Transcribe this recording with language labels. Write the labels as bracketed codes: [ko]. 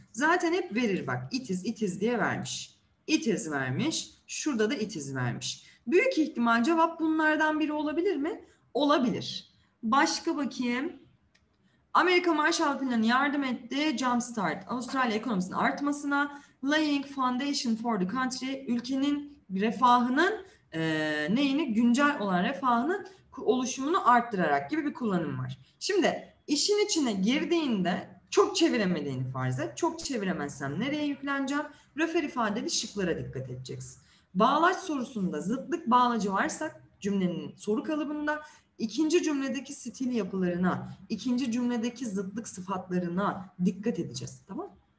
[tr] Zaten hep verir bak it is diye vermiş. It is vermiş. Şurada da it is vermiş. Büyük ihtimal cevap bunlardan biri olabilir mi? Olabilir. Başka bakayım. Amerika Marshall Planı yardım etti. Jumpstart. Avustralya ekonomisinin artmasına. [en] Laying foundation for the country. [tr] Ülkenin refahının neyini? Güncel olan refahının oluşumunu arttırarak gibi bir kullanım var. Şimdi işin içine girdiğinde çok çeviremediğini farz et. Çok çeviremezsem nereye yükleneceğim? Refer ifadeli şıklara dikkat edeceksin. Bağlaç sorusunda zıtlık bağlacı varsa cümlenin soru kalıbında ikinci cümledeki stil yapılarına, ikinci cümledeki zıtlık sıfatlarına dikkat edeceğiz. Tamam?